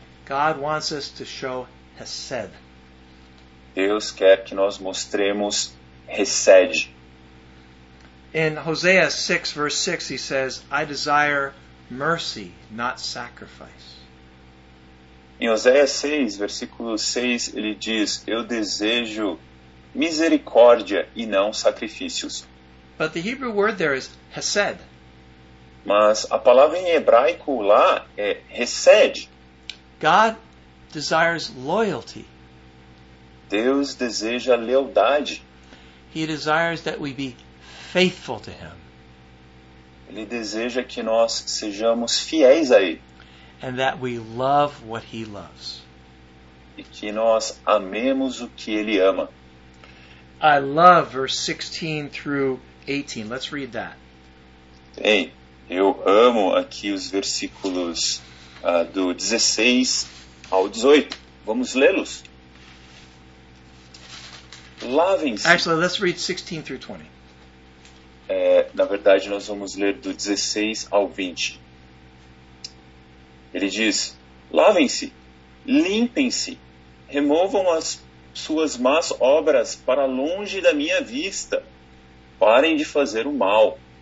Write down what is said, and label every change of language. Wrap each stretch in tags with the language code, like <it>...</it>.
<en>God wants us to show hesed.</en> <pt>Deus quer que nós mostremos hesed.</pt> <en>In Hosea 6, verse 6, he says, I desire mercy, not sacrifice.</en> <pt>Em Hosea 6, versículo 6, ele diz, eu desejo misericórdia e não sacrifícios.</pt> <en>But the Hebrew word there is hesed.</en> <pt>Mas a palavra em hebraico lá é hesed.</pt> <en>God desires loyalty.</en> <pt>Deus deseja lealdade.</pt> <en>He desires that we be faithful to him.</en> <pt>Ele deseja que nós sejamos fiéis a ele.</pt> <en>And that we love what he loves.</en> <pt>E que nós amemos o que ele ama.</pt> <en>I love verse 16 through 18. Let's read that.</en> <pt>Bem, eu amo aqui os versículos do 16 ao 18. Vamos lê-los. Lavem-se.</pt> <en>Actually, let's read 16 through 20.</en> <pt>Na verdade, nós vamos ler do 16 ao 20. Ele diz, lavem-se, limpem-se, removam as suas más obras para longe da minha vista. Parem de fazer o mal.</pt>